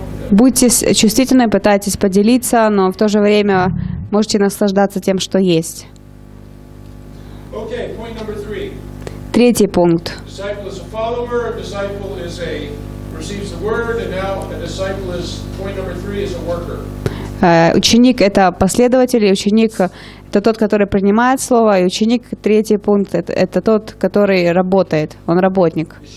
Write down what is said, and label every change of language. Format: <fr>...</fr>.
<ru>Будьте чувствительны, пытайтесь поделиться, но в то же время можете наслаждаться тем, что есть.</ru> <en>Okay, point number three.</en> <ru>Третий пункт.</ru> <en>Disciple is a follower, a disciple is a receives the word, and now a disciple is point number three is a worker.</en> <ru>Ученик – это последователь, ученик – это тот, который принимает слово, и ученик, третий пункт, это тот, который работает, он работник.</ru>